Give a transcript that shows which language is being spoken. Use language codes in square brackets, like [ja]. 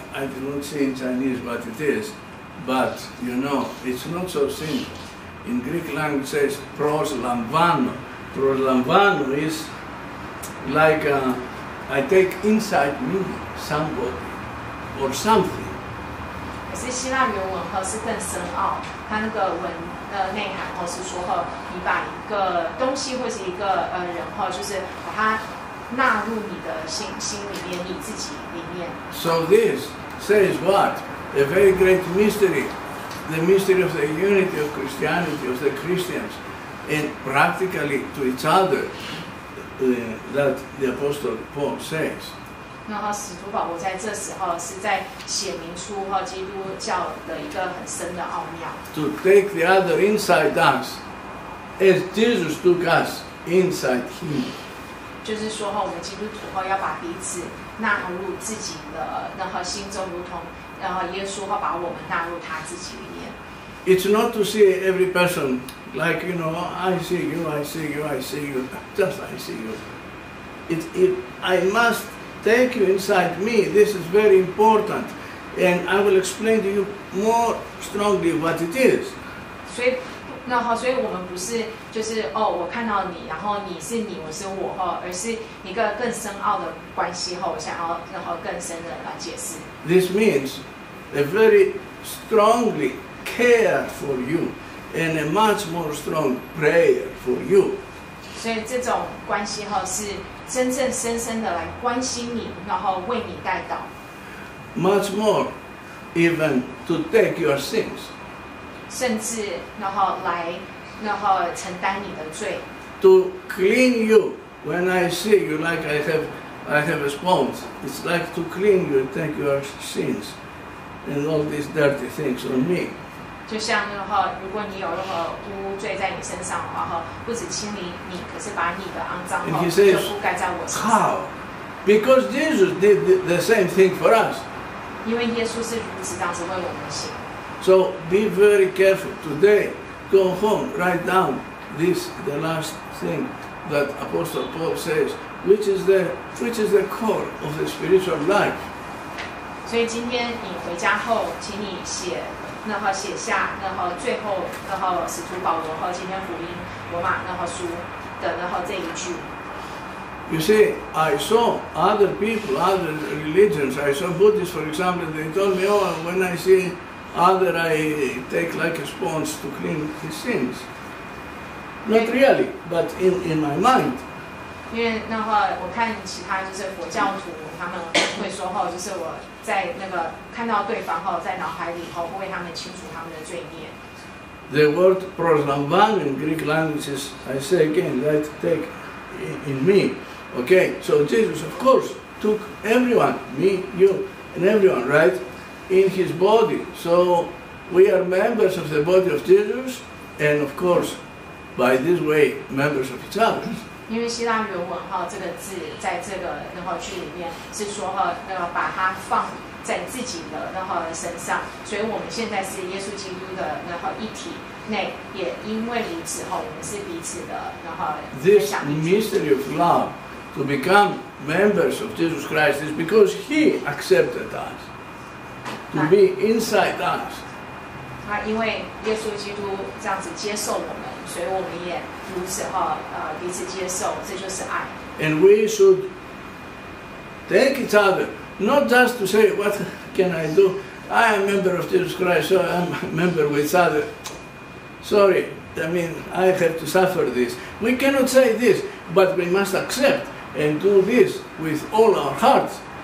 [en] I do not say in Chinese what it is, but you know it's not so simple. In Greek language, says proslambano. Proslambano is like I take inside me somebody or something. [zh] 可是希腊原文哈是更深奥，它那个文。内涵或是说后你把一个东西或是一个人或就是把它纳入你的 心里面你自己里面。 [en] So this says what? A very great mystery, the mystery of the unity of Christianity of the Christians and practically to each other, that the Apostle Paul says. [zh] 那么使徒保罗在这时候是在写明出哈基督教的一个很深的奥妙。 [en] To take the other inside us, as Jesus took us inside Him. [zh] 就是说哈，我们基督徒哈要把彼此纳入自己的那哈心中，如同然后耶稣哈把我们纳入他自己里面。 [en] It's not to see every person like you know, I see you, I see you, I see you, just I see you. I must. Take you inside me. This is very important, and I will explain to you more strongly what it is. [zh] 所以，那好，所以我们不是就是哦，我看到你，然后你是你，我是我哈，而是一个更深奥的关系哈。我想要然后更深的来解释。 [en] This means a very strongly care for you, and a much more strong prayer for you. [zh] 所以这种关系哈是。真正深深的来关心你，然后为你代祷。 [en] Much more, even to take your sins. [zh] 甚至然后来，然后承担你的罪。 [en] To clean you when I see you like I have a sponge. It's like to clean you and take your sins and all these dirty things on me. [zh] 就像然后如果你有任何污罪在你身上的话，哈，不止清理你，可是把你的肮脏后就覆盖在我身上。 [en] How? Because Jesus did the same thing for us. [zh] 因为耶稣是如此当时为我们行。 [en] So be very careful today. Go home, write down this the last thing that Apostle Paul says, which is the core of the spiritual life. [zh] 所以今天你回家后，请你写。然后写下，然后最后，然后使徒保罗和今天福音罗马然后书的然后这一句。 [en] You see, I saw other people, other religions. I saw Buddhists, for example. They told me, "Oh, when I see other, I take like a sponge to clean his sins." Not really, but in my mind. [zh] 因为那话，我看其他就是佛教徒，他们会说哈，就是我。在那个看到对方后，在脑海里后会为他们清除他们的罪孽。 [en] The word proslamban in Greek language is, I say again, let take in me. Okay, so Jesus, of course, took everyone, me, you, and everyone, right, in his body. So we are members of the body of Jesus, and of course, by this way, members of each other. [zh] 因为希腊原文哈，这个字在这个然后句里面是说哈，把它放在自己的然后身上，所以我们现在是耶稣基督的然后一体内，也因为如此后我们是彼此的然后分享。 [en] This mystery of love to become members of Jesus Christ is because He accepted us to be inside us。 [zh] 那因为耶稣基督这样子接受我们，所以我们也如此哈彼此接受，这就是爱。 [en] And we should take each other, not just to say what can I do. I am a member of Jesus Christ, so I'm a member with other. Sorry, I mean I have to suffer this. We cannot say this, but we must accept and do this with all our hearts.